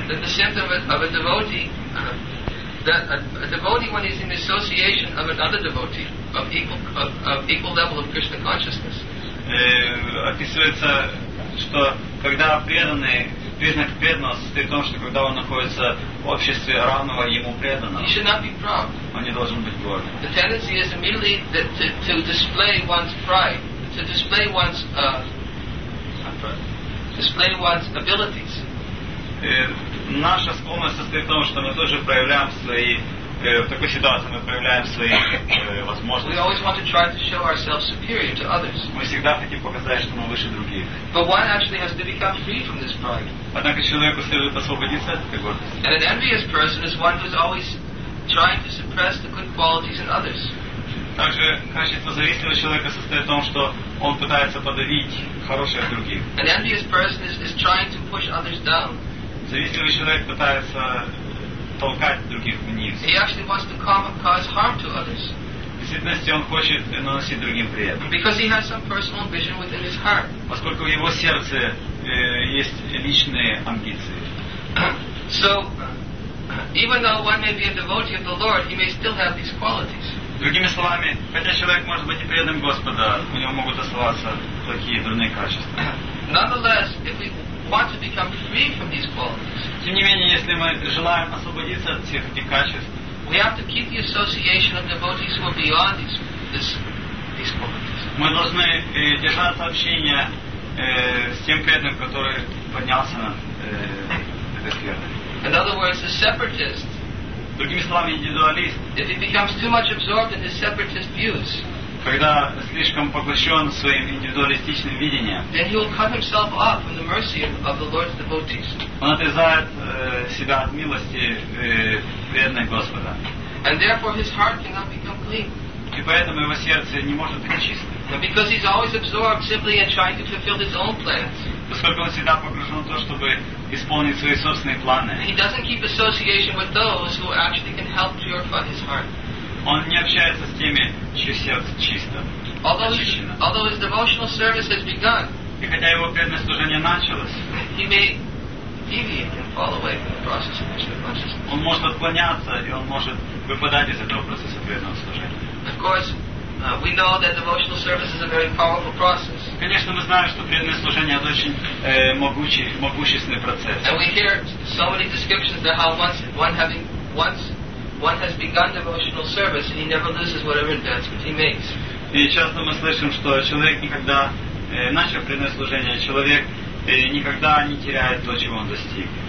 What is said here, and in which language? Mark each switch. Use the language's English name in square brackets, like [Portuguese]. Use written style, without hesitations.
[English] That the symptom of a devotee, that a devotee when he's in association of another devotee of equal level of Krishna consciousness. [Russian] Описывается, что когда преданный признак преданности в том, что когда он находится в обществе равного ему преданного, [English] he should not be proud. [Russian] Он не должен быть горд. [English] The tendency is immediately to display one's pride. To display one's abilities. [Russian] Наша склонность состоит в том, что мы тоже проявляем свои в такой ситуации мы проявляем свои возможности. [English] We always want to try to show ourselves superior to others. [Russian] Мы всегда хотим показать, что мы выше других. [English] But one actually has to become free from this pride. [Russian] Однако человеку следует освободиться от этой гордости. [English] And an envious person is one who is always trying to suppress the good qualities in others. [Russian] Также качество зависимого человека состоит в том, что он пытается подавить хорошее в других. [English] An envious person is trying to push others down. [Russian] Зависимый человек пытается толкать других вниз. [English] He actually wants to come and cause harm to others. [Russian] В действительности он хочет наносить другим вред. [English] Because he has some personal vision within his heart. [Russian] Поскольку в его сердце есть личные амбиции. [English] So, even though one may be a devotee of the Lord, he may still have these qualities. [Russian] Другими словами, хотя человек может быть и преданным Господа, у него могут оставаться плохие, дурные качества. [English] Nonetheless, if we want to become free from these qualities, [Russian] тем не менее, если мы желаем освободиться от всех этих качеств, [English] we have to keep the association of devotees who are beyond these qualities. [Russian] Мы должны держаться общения с тем преданным, который поднялся на этой сфере. [English] In other words, the separatist. [Russian] Другими словами, индивидуалист. [English] If he becomes too much absorbed in his separatist views, [Russian] когда слишком поглощен своим индивидуалистичным видением, [English] then he will cut himself off from the mercy of the Lord's devotees. [Russian] Он отрезает себя от милости преданных Господа. [English] And therefore his heart cannot become clean. [Russian] И поэтому его сердце не может быть чистым. [English] But because he's always absorbed simply in trying to fulfill his own plans. [Russian] Поскольку он всегда погружен в то, чтобы исполнить свои собственные планы. [English] He doesn't keep association with those who actually can help purify his heart. [Russian] Он не общается с теми, чье сердце чисто. [English] Although his devotional service has begun. [Russian] И хотя его преданное служение началось. [English] He may deviate and fall away from the process of Krishna consciousness. [Russian] Он может отклоняться и он может выпадать из этого процесса преданного служения. [English] Of course, we know that devotional service is a very powerful process. [Russian] Конечно, мы знаем, что преданное служение это очень могущественный процесс. [English] And we hear so many descriptions that how once one has begun devotional service, and he never loses whatever advancement he makes. [Russian] И часто мы слышим, что человек никогда начав преданное служение, человек никогда не теряет то, чего он достиг.